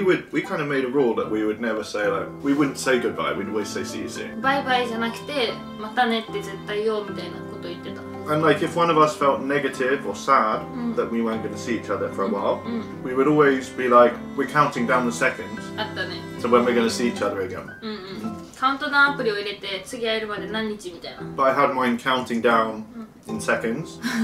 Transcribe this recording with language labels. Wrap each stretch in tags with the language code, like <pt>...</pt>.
<en>We kind of made a rule that we would never say like, we wouldn't say goodbye, we'd always say see you soon.</en> <ja>Bye bye じゃなくて、またねって絶対言おうみたいなこと言ってた。</ja> <en>And like if one of us felt negative or sad that we weren't going to see each other for a while, we would always be like, we're counting down the seconds. So when we're going to see each other again. But I had mine counting down in seconds.</en>